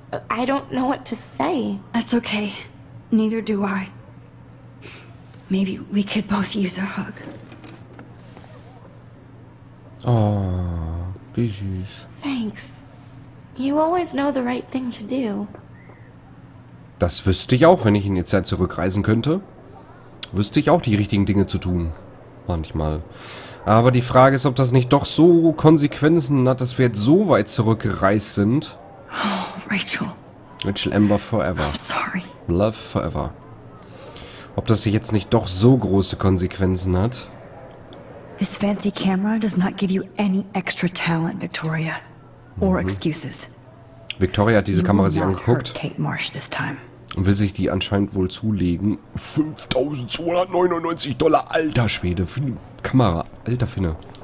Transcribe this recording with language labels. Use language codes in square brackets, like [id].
[en] I don't know what to say. That's okay. Neither do I. Maybe we could both use a hug. [de] Oh, wie süß. [en] Thanks. You always know the right thing to do. [de] Das wüsste ich auch, wenn ich in die Zeit zurückreisen könnte. Wüsste ich auch, die richtigen Dinge zu tun. Manchmal. Aber die Frage ist, ob das nicht doch so Konsequenzen hat, dass wir jetzt so weit zurückgereist sind. [en] Rachel Amber forever. I'm sorry. Love forever. [de] Ob das jetzt nicht doch so große Konsequenzen hat? [en] This fancy camera does not give you any extra talent, Victoria. Or excuses. [de] Victoria hat diese you Kamera sich angeguckt. [en] Kate Marsh this time. [de] Und will sich die anscheinend wohl zulegen. $5,299, alter Schwede. Für die Kamera, alter Finne.